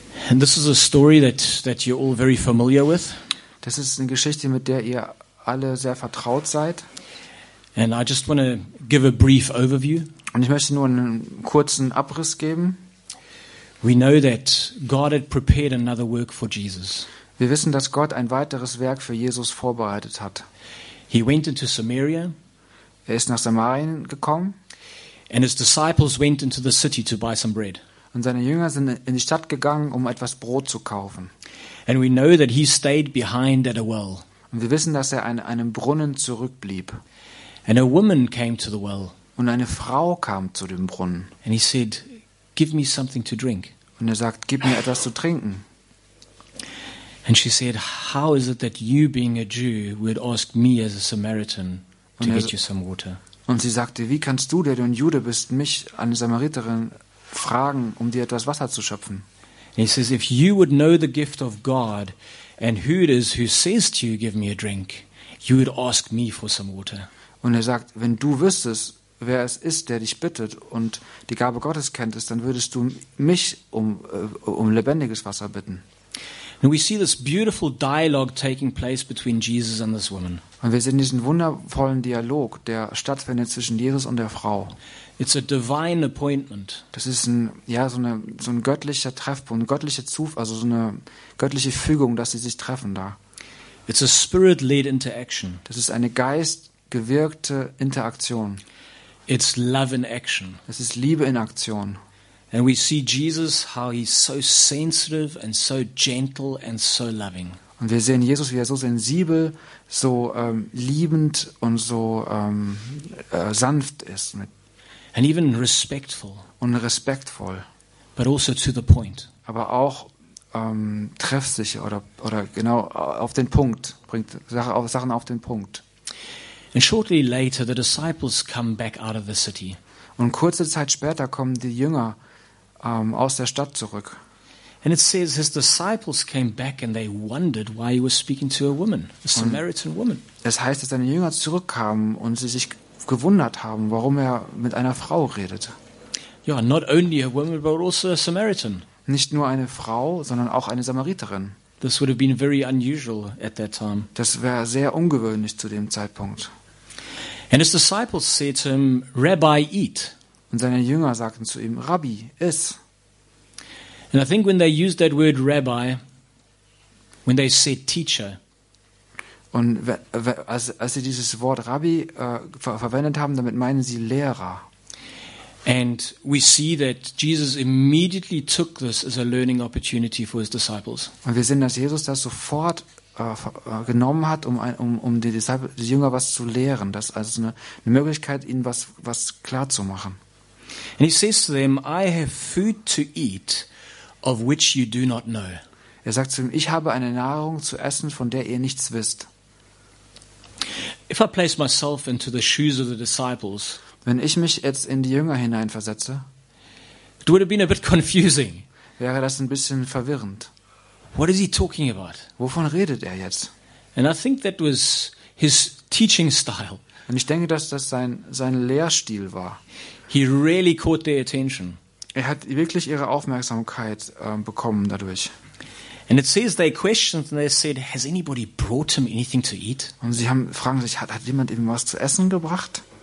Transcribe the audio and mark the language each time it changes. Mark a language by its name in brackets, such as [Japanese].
[English] And this is a story that you're all very familiar with. [German] Das ist eine Geschichte, mit der ihr alle sehr vertraut seid. [English] And I just want to give a brief overview. [German] Und ich möchte nur einen kurzen Abriss geben. [English] We know that God had prepared another work for Jesus. [German] Wir wissen, dass Gott ein weiteres Werk für Jesus vorbereitet hat. [English] He went into Samaria. [German] Er ist nach Samarien gekommen. [English] And his disciples went into the city to buy some bread. [German] Und seine Jünger sind in die Stadt gegangen, um etwas Brot zu kaufen. [English] And we know that he stayed behind at a well. [German] Und wir wissen, dass er an einem Brunnen zurückblieb. [English] And a woman came to the well. [German] Und eine Frau kam zu dem Brunnen. [English] And he said, give me something to drink. [German] Und er sagt, gib mir etwas zu trinken. [English] And she said, how is it that you being a Jew would ask me as a Samaritan to get you some water? [German] Und sie sagte, wie kannst du, der du ein Jude bist, mich, eine Samariterin, fragen, um dir etwas Wasser zu schöpfen. [English] He says, if you would know the gift of God and who it is who says to you, give me a drink, you would ask me for some water. [German] Und er sagt, wenn du wüsstest, wer es ist, der dich bittet und die Gabe Gottes kenntest, dann würdest du mich um lebendiges Wasser bitten. [English] And we see this beautiful dialogue taking place between Jesus and this woman. [German] Und wir sehen diesen wundervollen Dialog, der stattfindet zwischen Jesus und der Frau. [English] It's a divine appointment. [German] Das ist so ein göttlicher Treffpunkt, göttliche also so eine göttliche Fügung, dass sie sich treffen da. [English] It's a spirit-led interaction. [German] Das ist eine geistgewirkte Interaktion. [English] It's love in action. [German] Es ist Liebe in Aktion. [English] And we see Jesus, how he's so sensitive and so gentle and so loving. [German] Und wir sehen Jesus, wie er so sensibel, so liebend und so sanft ist mit. [English] And even respectful. [German] Und respektvoll. [English] But also to the point. [German] Aber auch treffsicher oder genau auf den Punkt, bringt Sachen auf den Punkt. [English] And shortly later, the disciples come back out of the city. [German] Und kurze Zeit später kommen die Jünger aus der Stadt zurück. [English] And it says his disciples came back and they wondered why he was speaking to a woman, a Samaritan woman. [German] Es heißt, dass seine Jünger zurückkamen und sie sich gewundert haben, warum er mit einer Frau redet. [English] Ja, not only a woman, but also a Samaritan. [German] Nicht nur eine Frau, sondern auch eine Samariterin. [English] This would have been very unusual at that time. [German] Das wäre sehr ungewöhnlich zu dem Zeitpunkt. [English] And his disciples said to him, Rabbi, eat. [German] Und seine Jünger sagten zu ihm: Rabbi, iss. [English] And I think when they used that word Rabbi, when they said teacher. [German] Und als sie dieses Wort Rabbi verwendet haben, damit meinen sie Lehrer. [English] And we see that Jesus immediately took this as a learning opportunity for his disciples. [German] Und wir sehen, dass Jesus das sofort genommen hat, um die Disciples, die Jünger was zu lehren, das als eine Möglichkeit, ihnen was klar zu machen. [English] And he says to them, I have food to eat of which you do not know. [German] Er sagt zu ihm, ich habe eine Nahrung zu essen, von der ihr nichts wisst. [English] If I place myself into the shoes of the disciples, [German] wenn ich mich jetzt in die Jünger hineinversetze, [English] it would have been a bit confusing. [German] Wäre das ein bisschen verwirrend. [English] What is he talking about? [German] Wovon redet er jetzt? [English] And I think that was his teaching style. [German] Und ich denke, dass das sein Lehrstil war. [English] He really caught their attention. [German] Er hat wirklich ihre Aufmerksamkeit bekommen dadurch. [English] And it says they questioned and they said, has anybody brought him anything to eat? [German] Und sie haben fragen sich, hat jemand ihm was zu essen gebracht?